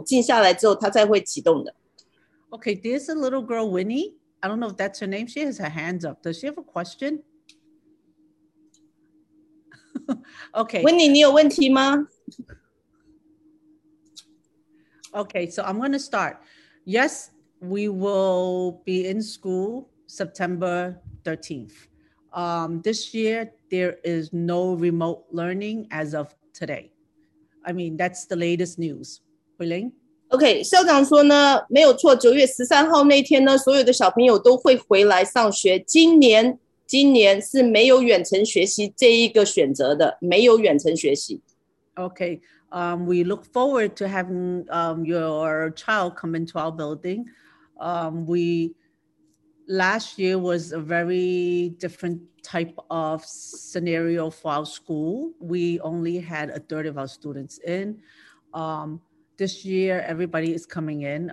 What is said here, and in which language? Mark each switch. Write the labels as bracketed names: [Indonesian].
[Chinese] 还有呢，4个小朋友。现在这个时间呢，在家里是非常非常的忙的。所以呢，如果你有听到他狗在后面呢，在叫的话呢，他会呢去启动静音之后呢，等他的狗静下来之后，他才会启动的。Okay, [English] there's a little girl, Winnie. I don't know if that's her name. She has her hands up. Does she have a question? Okay. [Chinese] Winnie, 你有问题吗？ [English] Okay, so I'm going to start. Yes. We will be in school September 13th. This year, there is no remote learning as of today. I mean, that's the latest news. Huiling? [Chinese] Okay, 校长说呢，没有错， 9月13号那天呢，所有的小朋友都会回来上学。今年是没有远程学习这一个选择的，没有远程学习。 [English] Okay, we look forward to having your child come into our building. We last year was a very different type of scenario for our school. We only had a third of our students in. This year, everybody is coming in.